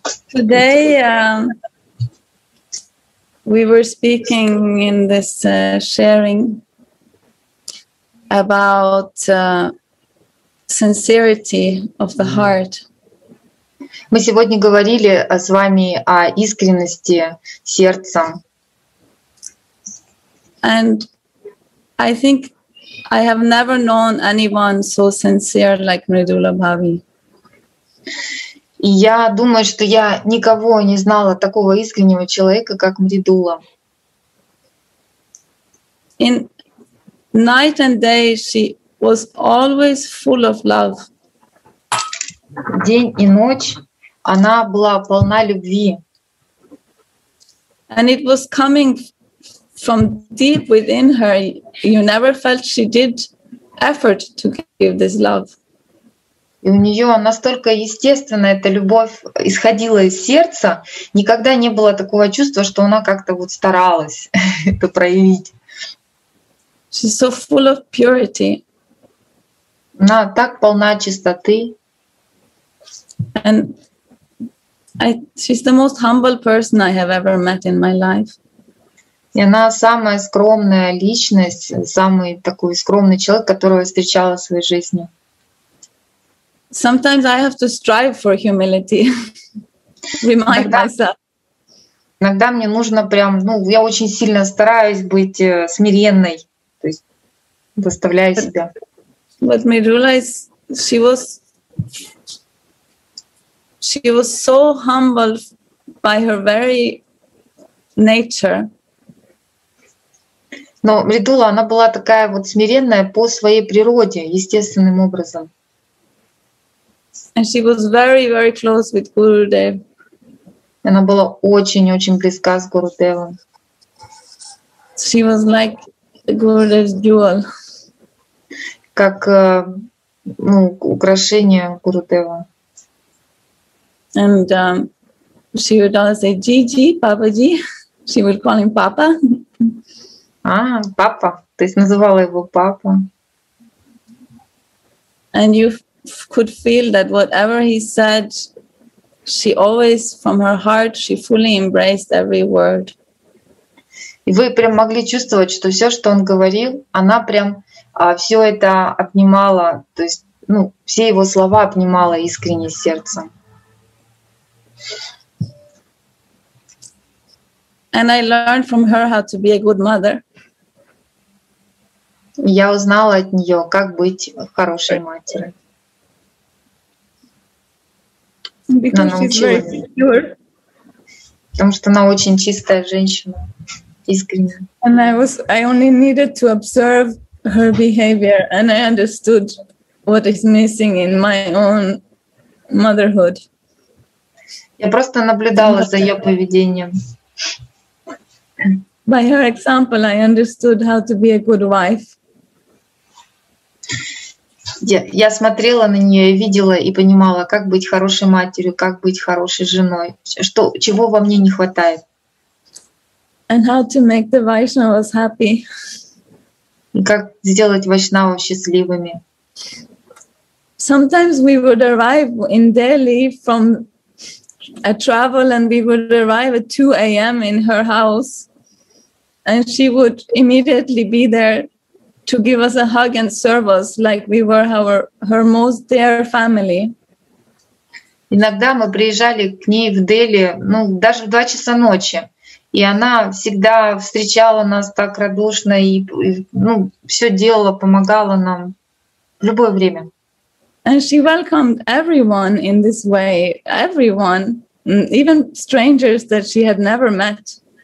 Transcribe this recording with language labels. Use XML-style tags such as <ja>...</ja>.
<en>Today we were speaking in this sharing about sincerity of the heart.</en> <ru>Мы сегодня говорили с вами о искренности сердца.</ru> <en>And I think I have never known anyone so sincere like Mridula Bhavi.</en> <ru>Я думаю, что я никого не знала такого искреннего человека, как Мридула.</ru> <en>In night and day she was always full of love.</en> <ru>День и ночь она была полна любви.</ru> <en>And it was coming from deep within her, you never felt she did effort to give this love.</en> <ru>И у нее настолько естественно эта любовь исходила из сердца, никогда не было такого чувства, что она как-то вот старалась это проявить.</ru> <en>She's so full of purity.</en> <ru>Она так полна чистоты.</ru> <en>And she's the most humble person I have ever met in my life.</en> <ru>И она самая скромная личность, самый такой скромный человек, которого я встречала в своей жизни.</ru> <en>Sometimes I have to strive for humility. Remind myself.</en> <ru>Иногда мне нужно прям, ну, я очень сильно стараюсь быть смиренной, то есть заставляю себя.</ru> <en>But Mridula, she was so humble by her very nature.</en> <ru>Но Мридула, она была такая вот смиренная по своей природе, естественным образом.</ru> <en>And she was very, very close with Gurudev.</en> <ru>Она была очень-очень близка с Гурудевом.</ru> <en>She was like Gurudev's jewel.</en> <ru>Как ну, украшение Гурудева.</ru> <en>And she would always say, Gigi, Papaji. She would call him Papa.</en> <ru>А, папа, то есть называла его папа.</ru> <en>And you could feel that whatever he said, she always, from her heart, she fully embraced every word.</en> <ru>И вы прям могли чувствовать, что все, что он говорил, она прям все это обнимала, то есть, ну, все его слова обнимала искренне сердцем.</ru> <en>And I learned from her how to be a good mother.</en> <ru>Я узнала от нее, как быть хорошей матерью. Потому что она очень чистая женщина, искренняя.</ru> <en>And I only needed to observe her behavior, and I understood what is missing in my own motherhood.</en> <ru>Я просто наблюдала за ее поведением.</ru> <en>By her example, I understood how to be a good wife.</en> <ru>Я смотрела на нее, видела и понимала, как быть хорошей матерью, как быть хорошей женой, что, чего во мне не хватает.</ru> <en>And how to make the Vaishnavas happy.</en> <ru>И как сделать Вайшнавов счастливыми.</ru> <en>Sometimes we would arrive in Delhi from a travel and we would arrive at 2 a.m. in her house and she would immediately be there to give us a hug and serve us like we were her most dear family.</en> <ru>Иногда мы приезжали к ней в Дели, ну, даже в 2 часа ночи. И она всегда встречала нас так радушно и ну, все делала, помогала нам в любое время.</ru> <en>And she welcomed everyone in this way, everyone, even strangers that she had never met.</en>